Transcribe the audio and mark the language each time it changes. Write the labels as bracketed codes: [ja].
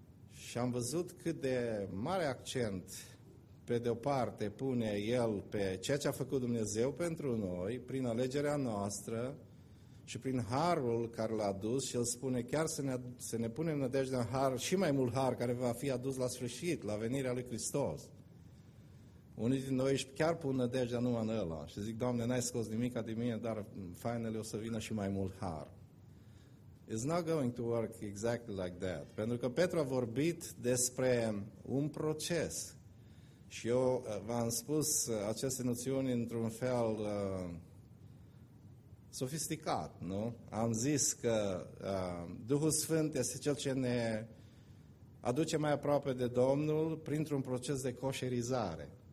[ro] și am văzut cât de mare accent, pe de o parte, pune el pe ceea ce a făcut Dumnezeu pentru noi, prin alegerea noastră și prin harul care l-a adus, și el spune chiar să ne punem nădejde în har, și mai mult har, care va fi adus la sfârșit, la venirea lui Hristos. Unii din noi își chiar pun nădejdea numai în ăla și zic, Doamne, n-ai scos nimica de mine, dar fainele o să vină și mai mult har. [en] It's not going to work exactly like that. [ro] Pentru că Petru a vorbit despre un proces. Și eu v-am spus aceste noțiuni într-un fel sofisticat, nu? Am zis că Duhul Sfânt este Cel ce ne aduce mai aproape de Domnul printr-un proces de coșerizare.